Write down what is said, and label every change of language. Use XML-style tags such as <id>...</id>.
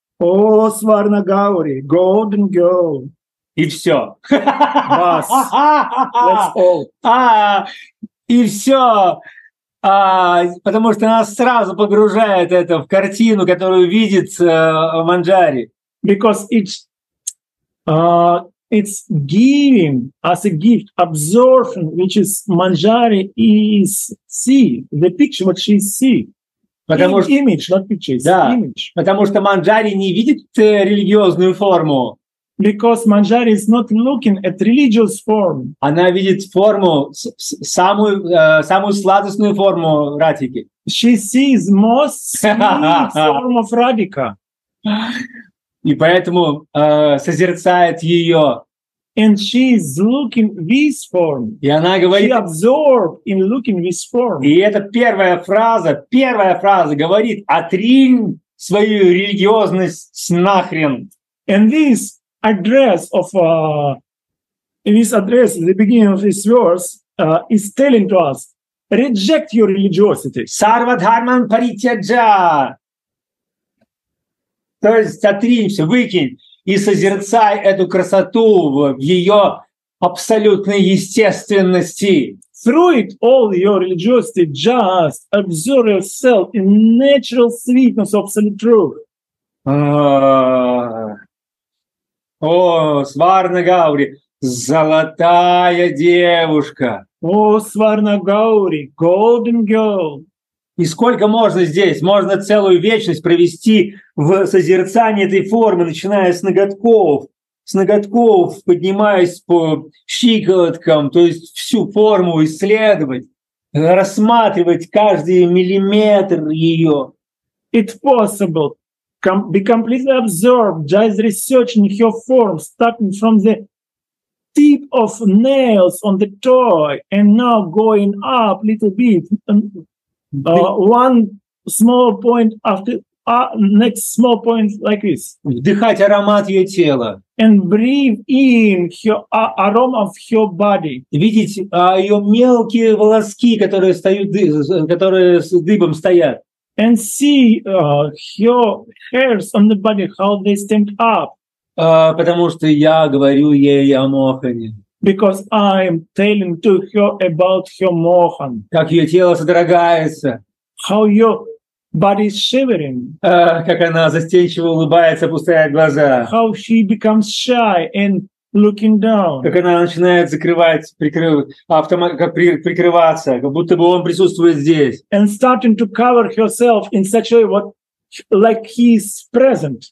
<ru>О, Сварна Гаури,</ru> <en>golden girl.</en> <ru>И все.</ru> <en>That's all.</en> <ru>И все. Потому что нас сразу погружает это в картину, которую видит Манджари.</ru> <en>Because it's giving as a gift, absorption, which is Manjari is see, the picture what she see.</en> <ru>Потому что</ru> <en>image, not picture,</en> <ru>да,</ru> <en>image.</en> <ru>Потому что Манджари не видит религиозную форму.</ru> <en>Because Manjari is not looking at religious form.</en> <ru>Она видит форму самую сладостную форму Радхики.</ru> <en>She sees most sweet form of Radhika.</en> <ru>И поэтому созерцает ее.</ru> <en>And she is looking this form.</en> <ru>И она говорит.</ru> <en>She absorbed in looking this form.</en> <ru>И это первая фраза говорит: отринь свою религиозность нахрен.</ru> <en>And this address of in this address, the beginning of this verse is telling to us reject your religiosity.</en> <sa>Sarva dharman parityaja.</sa> <ru>То есть отринься, выкинь и созерцай эту красоту в ее абсолютной естественности.</ru> <en>Throw it all your religiosity, just observe yourself in natural sweetness of absolute truth.</en> <ru>О, Сварна Гаури, золотая девушка. О, Сварна Гаури,</ru> <en>golden girl.</en> <ru>И сколько можно здесь? Можно целую вечность провести в созерцании этой формы, начиная с ноготков, поднимаясь по щиколоткам, то есть всю форму исследовать, рассматривать каждый миллиметр ее.</ru> <en>It's possible. Be completely absorbed, just researching her form, starting from the tip of nails on the toy, and now going up little bit, one small point after next small point like this.</en> <ru>Вдыхать аромат ее тела.</ru> <en>And breathe in her aroma of her body.</en> <ru>Видеть ее мелкие волоски, которые дыбом стоят.</ru> <en>And see her hairs on the body, how they stand up.</en> <ru>Потому что я говорю ей о Мохане.</ru> <en>Because I'm telling to her about her Mohan.</en> <ru>Как ее тело содрогается.</ru> <en>How your body is shivering.</en> <ru>Как она застенчиво улыбается, опуская глаза.</ru> <en>How she becomes shy and looking down.</en> <ru>Как она начинает прикрываться, как будто бы он присутствует здесь.</ru> <en>And starting to cover herself in such a way, what, like he's present.</en>